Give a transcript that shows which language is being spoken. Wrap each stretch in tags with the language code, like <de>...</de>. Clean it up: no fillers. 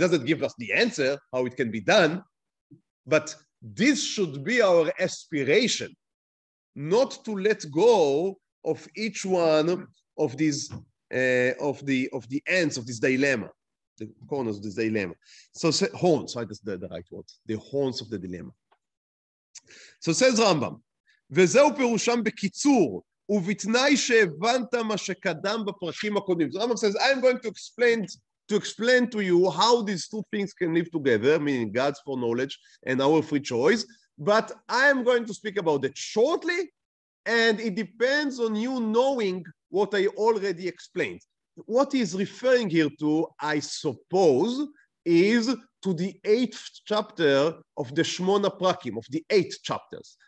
<en>It doesn't give us the answer how it can be done, but this should be our aspiration, not to let go of each one of these of the ends of this dilemma, the corners of this dilemma. So horns, right? That's the right word, the horns of the dilemma. So says Rambam,</en> <he>וזהו פירושם בקיצור. ובתנאי שהבנת מה שקדם בפרקים הקודמים.</he> <en>So Rambam says, I'm going to explain to you how these two things can live together, meaning God's foreknowledge and our free choice, but I'm going to speak about that shortly, and it depends on you knowing what I already explained. What he's referring here to, I suppose, is to the eighth chapter of the Shmona Prakim, of the eight chapters.</en>